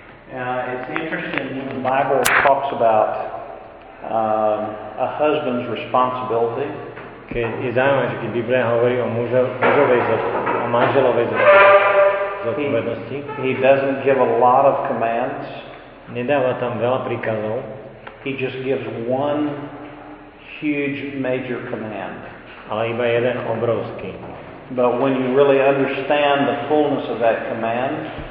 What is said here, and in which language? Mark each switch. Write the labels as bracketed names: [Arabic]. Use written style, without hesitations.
[English] it's interesting when the Bible talks about a husband's responsibility. [Slovak] Keď je zaujímavé, že keď Biblia hovorí o mužovej o manželovej zodpovednosti. [English] He doesn't give a lot of commands. [Slovak] Nedáva tam veľa príkazov. [English] He just gives one huge major command. [Slovak] Ale iba jeden obrovský. [English] But when you really understand the fullness of that command,